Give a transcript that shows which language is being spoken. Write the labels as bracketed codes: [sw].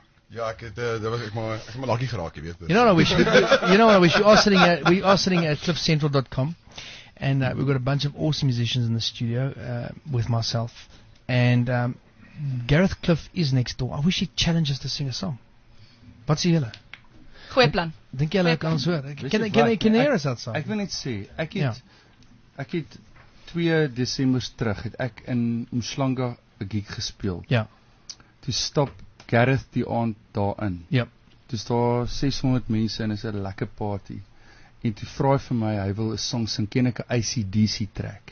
[af] Ja, ek het dit was ek maar lucky geraak, jy weet. [en] You know what I wish? You know what I wish? We are sitting at cliffcentral.com and we've got a bunch of awesome musicians in the studio with myself and Gareth Cliff is next door. I wish he'd challenge us to sing a song. [af] Wat sê julle? Goeie plan. Dink jy hulle kan ons hoor? [en] Can hear us outside? [af] Ek wil net sê, ek het 2 Desember terug, het ek in Umhlanga 'n gig gespeel. Ja. Toe stap Gareth die aand daarin. Ja. Toe is daar 600 mense en is 'n lekker party. En toe vraag vir my, hy wil 'n song sing, ken ek 'n ACDC track?